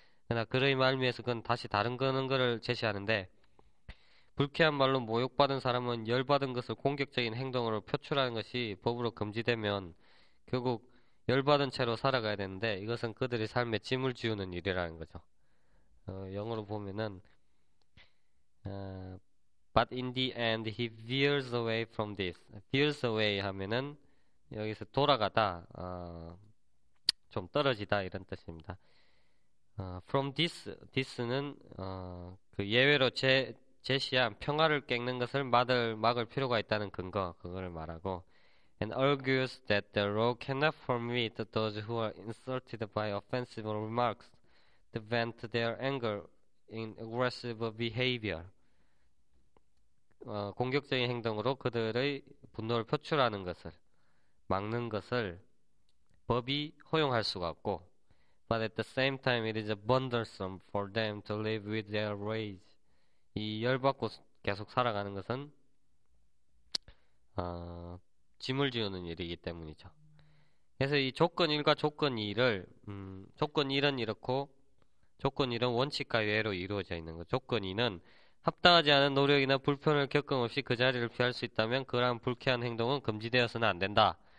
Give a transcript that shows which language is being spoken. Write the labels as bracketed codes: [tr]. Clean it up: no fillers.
[ko] 그러나 그의 말미에서 그건 다시 다른 근거를 제시하는데, 불쾌한 말로 모욕받은 사람은 열받은 것을 공격적인 행동으로 표출하는 것이 법으로 금지되면 결국 열받은 채로 살아가야 되는데 이것은 그들의 삶에 짐을 지우는 일이라는 거죠. 영어로 보면은 [en] But in the end, he veers away from this. [ko] Veers away 하면은 여기서 돌아가다, 좀 떨어지다 이런 뜻입니다. [en] From this [ko] 는 그 예외로 제시한 평화를 깨는 것을 막을 필요가 있다는 근거, 그거를 말하고. [en] And argues that the law cannot permit those who are insulted by offensive remarks to vent their anger in aggressive behavior. [ko] 공격적인 행동으로 그들의 분노를 표출하는 것을 막는 것을 법이 허용할 수가 없고, [en] but at the same time it is bothersome for them to live with their rage. [ko] 이 열받고 계속 살아가는 것은 짐을 지우는 일이기 때문이죠. 그래서 이 조건 1과 조건 2를 조건 1은 이렇고 조건 1은 원칙과 예외로 이루어져 있는 것. 조건 2는 합당하지 않은 노력이나 불편을 겪음 없이 그 자리를 피할 수 있다면 그러한 불쾌한 행동은 금지되어서는 안 된다.